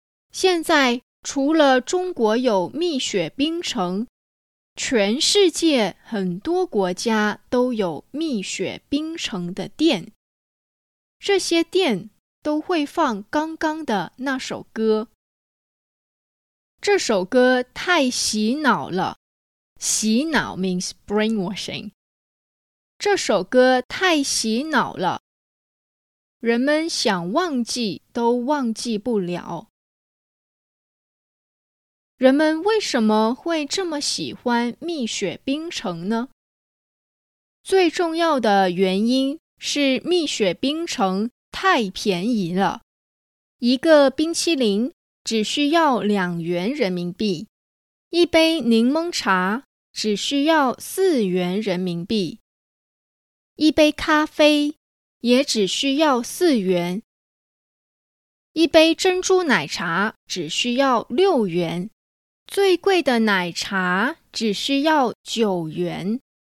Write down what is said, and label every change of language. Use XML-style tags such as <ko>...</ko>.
<zh>现在除了中国有蜜雪冰城，全世界很多国家都有蜜雪冰城的店。这些店都会放刚刚的那首歌。这首歌太洗脑了。</zh> <en>洗脑 means brainwashing.</en> <zh>这首歌太洗脑了，人们想忘记都忘记不了。人们为什么会这么喜欢蜜雪冰城呢？最重要的原因是蜜雪冰城太便宜了，一个冰淇淋只需要2元人民币，一杯柠檬茶只需要4元人民币，一杯咖啡也只需要4元，一杯珍珠奶茶只需要6元，最贵的奶茶只需要9元。</zh>